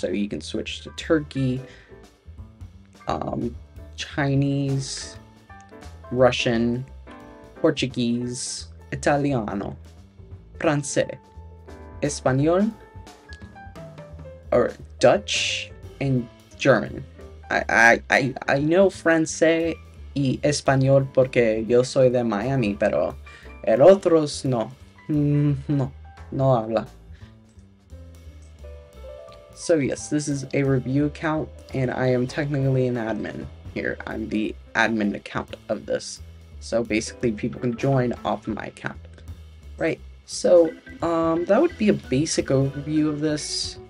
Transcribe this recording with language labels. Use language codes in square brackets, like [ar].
[en] So you can switch to Turkey, Chinese, Russian, Portuguese, Italiano, Francais, Espanol, or Dutch, and German. I know [es] Francais y Espanol porque yo soy de Miami, pero el otros no. No habla. [en] So yes, this is a review account, and I am technically an admin here. I'm the admin account of this. So basically, people can join off of my account. Right. So, that would be a basic overview of this.